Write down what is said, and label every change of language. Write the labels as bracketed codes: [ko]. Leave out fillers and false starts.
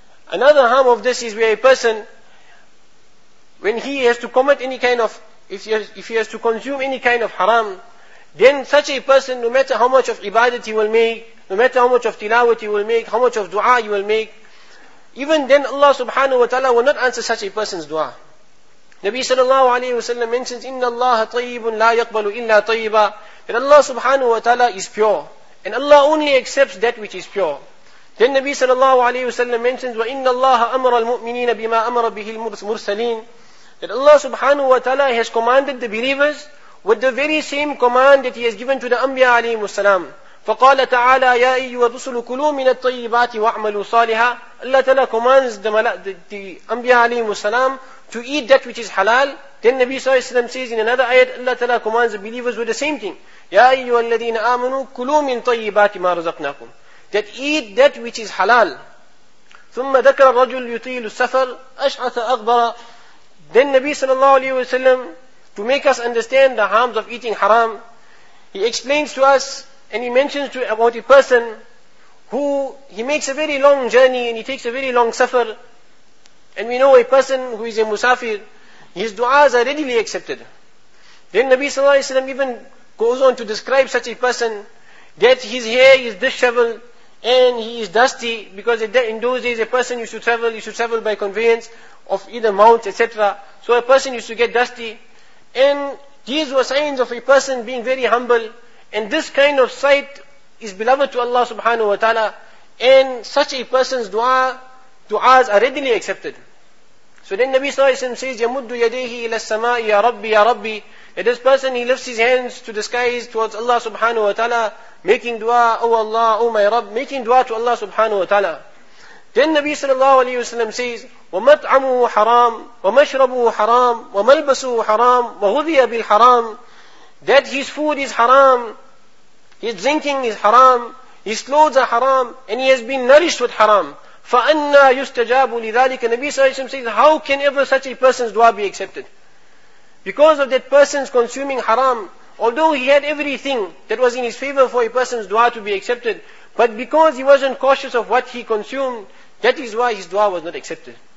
[en] Another harm of this is where a person, when he has to commit any kind of, if he has to consume any kind of haram, then such a person, no matter how much of ibadat he will make, no matter how much of tilawat he will make, how much of dua he will make, Even then Allah subhanahu wa ta'ala will not answer such a person's dua. Nabi sallallahu alayhi wa sallam mentions, [ar] إِنَّ اللَّهَ طَيِّبٌ لَا يَقْبَلُ إِلَّا طَيِّبًا. [en] That Allah subhanahu wa ta'ala is pure. And Allah only accepts that which is pure. Then Nabi sallallahu alayhi wa sallam mentions, [ar] وَإِنَّ اللَّهَ أَمَرَ الْمُؤْمِنِينَ بِمَا أَمَرَ بِهِ الْمُرْسَلِينَ. [en] That Allah subhanahu wa ta'ala has commanded the believers with the very same command that He has given to the Anbiya alayhi wa sallam. [ar] فَقَالَ تَعَالَى يَا أَيُّهَا الرُّسُلُ كُلُوا مِنَ الطَّيِّبَاتِ وَاعْمَلُوا صَالِحًا. [en] Allah Ta'ala commands the Anbiya alayhi wasalam to eat that which is halal. Then Nabi Sallallahu Alaihi Wasallam says in another ayat, Allah Ta'ala commands the believers with the same thing. [ar] يَا أَيُّهَا الَّذِينَ آمَنُوا كُلُوا مِنْ طَيِّبَاتِ مَا رَزَقْنَاكُمْ. [en] That eat that which is halal. [ar] ثُمَّ ذَكَرَ الرَّجُلُ يُطِيلُ السَّفَرُ أَشْعَثَ أَغْبَرَ. [en] Then Nabi Sallallahu Alaihi Wasallam, to make us understand the harms of eating haram, he explains to us, and he mentions to about a person who he makes a very long journey and he takes a very long suffer. And we know a person who is a musafir, his du'as are readily accepted. Then Nabi Sallallahu Alaihi Wasallam even goes on to describe such a person that his hair is disheveled and he is dusty, because in those days a person used to travel by conveyance of either mounts, etc. So a person used to get dusty. And these were signs of a person being very humble. And this kind of sight is beloved to Allah subhanahu wa ta'ala. And such a person's du'as are readily accepted. So then Nabi sallallahu alayhi wa sallam says, [ar] يَمُدُّ يَدَيْهِ إِلَى السَّمَاءِ يَا رَبِّي [en] يَا رَبِّي. And this person, he lifts his hands to the skies towards Allah subhanahu wa ta'ala, making du'a, O Allah, O my Rabb, making du'a to Allah subhanahu wa ta'ala. Then Nabi sallallahu alayhi wa sallam says, [ar] وَمَطْعَمُهُ حَرَامُ وَمَشْرَبُهُ حَرَامُ وَمَلْبَسُهُ حَرَامُ وَهُذِيَ بِالْحَرَامُ. [en] That his food is haram, his drinking is haram, his clothes are haram, and he has been nourished with haram. [ar] فَأَنَّا يُسْتَجَابُ لِذَلِكَ. [en] Nabi Sallallahu Alaihi Wasallam says, how can ever such a person's dua be accepted? Because of that person's consuming haram, although he had everything that was in his favor for a person's dua to be accepted, but because he wasn't cautious of what he consumed, that is why his dua was not accepted.